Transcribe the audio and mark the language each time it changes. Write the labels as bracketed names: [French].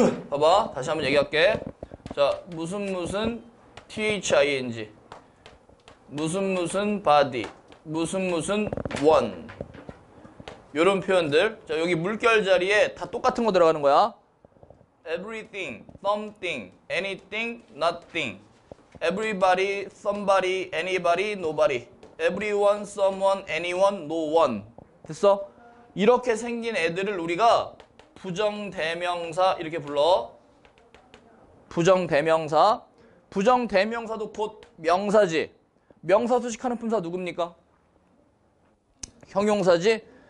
[Korean] 봐봐, 다시 한번 얘기할게. 자, 무슨 무슨 thing, 무슨 무슨 body, 무슨 무슨 one. 요런 표현들. 자, 여기 물결 자리에 다 똑같은 거 들어가는 거야. [English] Everything, something, anything, nothing. Everybody, somebody, anybody, nobody. Everyone, someone, anyone, no one. [Korean] 됐어? 이렇게 생긴 애들을 우리가 부정대명사 이렇게 불러. 부정대명사. 부정대명사도 곧 명사지. 명사 수식하는 품사 누굽니까? 형용사지.